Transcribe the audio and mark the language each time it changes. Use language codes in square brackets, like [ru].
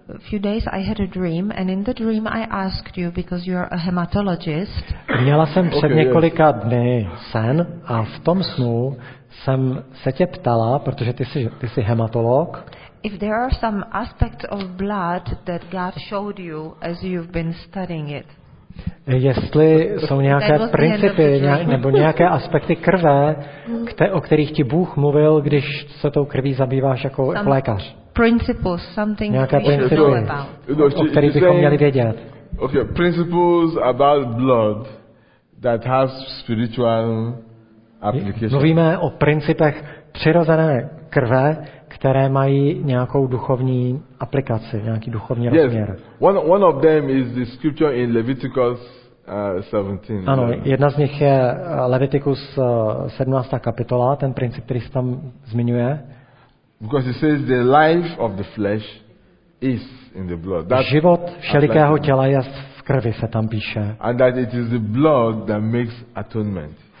[en] few days I had a dream, and in the dream I asked you, because you are a hematologist. [cs] Měla jsem před několika dny sen a v tom snu jsem se tě ptala, protože ty jsi hematolog. [en] If there are some aspects of blood that God showed you as you've been studying it. [cs] Jestli jsou nějaké principy nebo nějaké aspekty krve, o kterých ti Bůh mluvil, když se tou krví zabýváš jako [en] some [cs] lékař. [en] Principles, something [cs] nějaké principy, o kterých bychom měli vědět. [en] Okay, principles about blood that has spiritual application. [cs] Mluvíme o principech přirozené krve, které mají nějakou duchovní aplikaci, nějaký duchovní [en] yes. [cs] rozměr. [en] One of them is the scripture in Leviticus 17. [cs] Ano, jedna z nich je Leviticus 17. kapitola, ten princip, který se tam zmiňuje. [en] Because it says the life of the flesh is in the blood. [cs] That's život všelikého těla je v krvi, se tam píše. [en] And that it is the blood that makes atonement.